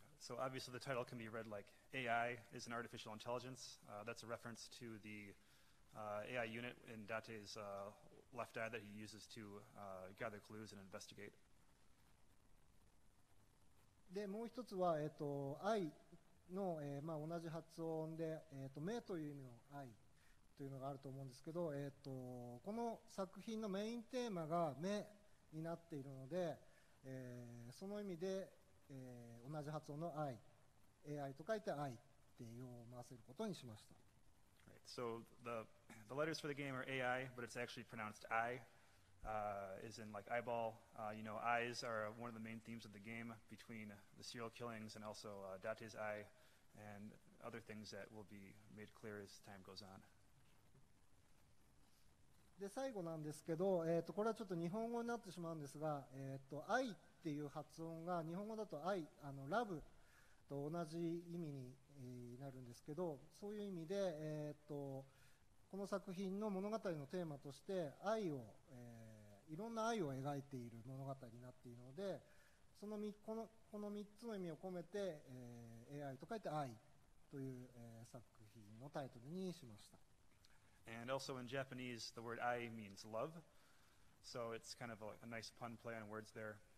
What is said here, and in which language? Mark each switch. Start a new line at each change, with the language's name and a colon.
English: So obviously the title can be read like AI is an artificial intelligence. That's a reference to the AI unit in Date's left eye that he uses to gather clues and investigate.
Japanese: で、もう一つは、愛の、同じ発音で、目という意味の愛。というのがあると思うんですけど、この作品のメインテーマが目になっているので、その意味で、同じ発音の愛、AI と書いて愛って読ませることにしました。
English: Right. So the letters for the game are AI, but it's actually pronounced I, as in like eyeball. Eyes are one of the main themes of the game between the serial killings and also Date's eye and other things that will be made clear as time goes on.
Japanese: で最後なんですけど、これはちょっと日本語になってしまうんですが、愛っていう発音が日本語だと愛、ラブと同じ意味になるんですけど、そういう意味で、この作品の物語のテーマとして愛を、いろんな愛を描いている物語になっているので、そのこの3つの意味を込めて、AI と書いて愛という、作品のタイトルにしました。
English: And also in Japanese, the word "ai" means love, so it's kind of a nice pun play on words there.